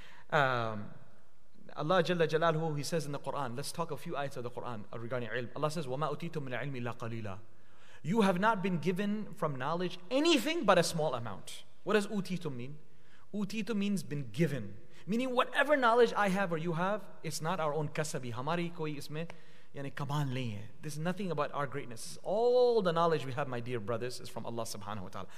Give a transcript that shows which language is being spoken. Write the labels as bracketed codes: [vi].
[en] Allah Jalla Jalaluhu, He says in the Quran, let's talk a few ayats of the Quran regarding ilm. Allah says, [ar] وَمَا أُتِيتُم مِنْ عِلْمِ إِلَّا قَلِيلًا. [en] You have not been given from knowledge anything but a small amount. What does utitum mean? Utitum means been given. Meaning whatever knowledge I have or you have, it's not our own kasabi. [ur] ہماری کوئی اس میں، یعنی کمال نہیں ہے۔ [en] This is nothing about our greatness. All the knowledge we have, my dear brothers, is from Allah subhanahu wa ta'ala.